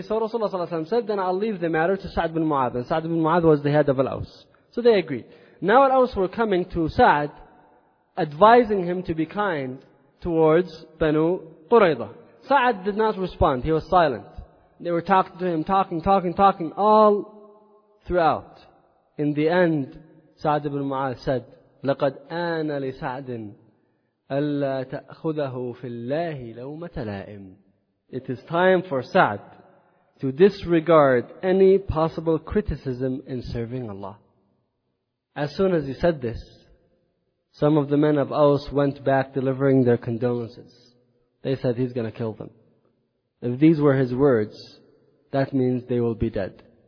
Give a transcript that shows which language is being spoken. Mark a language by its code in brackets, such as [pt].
[en] So Rasulullah ﷺ said, then I'll leave the matter to Sa'd bin Mu'adh. And Sa'd bin Mu'adh was the head of Al-Aus. So they agreed. Now Al-Aus were coming to Sa'd, advising him to be kind towards Banu Qurayza. Sa'd did not respond, he was silent. They were talking to him, talking all throughout. In the end, Sa'd ibn Mu'adh said, [ar] لَقَدْ آنَ لِسَعْدٍ أَلَّا تَأْخُذَهُ فِي اللَّهِ لَوْمَةَ لَائِمٍ. [en] It is time for Sa'd to disregard any possible criticism in serving Allah. As soon as he said this, some of the men of Aus went back delivering their condolences. They said he's going to kill them. If these were his words, that means they will be dead.